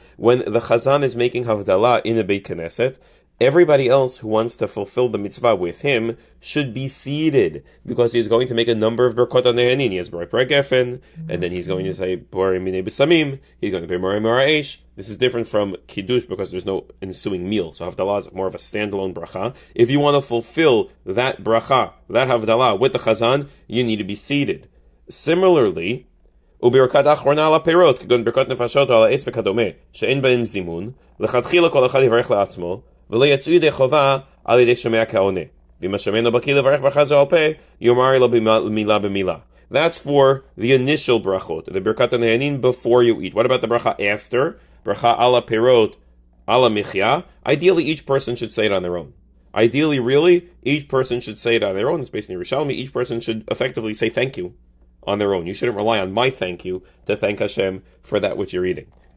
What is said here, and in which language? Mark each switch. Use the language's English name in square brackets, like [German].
[English] When the chazan is making havdala in a Beit Knesset, everybody else who wants to fulfill the mitzvah with him should be seated, because he's going to make a number of berkot ha-nehenin. He has berkot ha-gefen, and then he's going to say borei minei b'samim, he's going to pay borei mara'esh. This is different from kiddush, because there's no ensuing meal, so havdalah is more of a standalone bracha. If you want to fulfill that bracha, that havdalah, with the chazan, you need to be seated. Similarly, [Hebrew] וברכת אחרונה על הפירות, כגון ברכות נפשות על העץ וכדומה, שאין בהן זימון, לכתחילה כל אחד יברך לעצמו, ולא יצאו ידי חובה על ידי שמע כעונה. ואם השמענו בקי לברך ברכה זו על פה, יאמר לו מילה במילה. [English] That's for the initial ברכות, the ברכת הנהנין before you eat. What about the [Hebrew] ברכה after? ברכה על הפירות, על המחיה? [English] Ideally, each person should say it on their own. Ideally, really, each person should say it on their own. It's based in Yerushalmi. Each person should effectively say thank you on their own. You shouldn't rely on my thank you to thank Hashem for that which you're eating.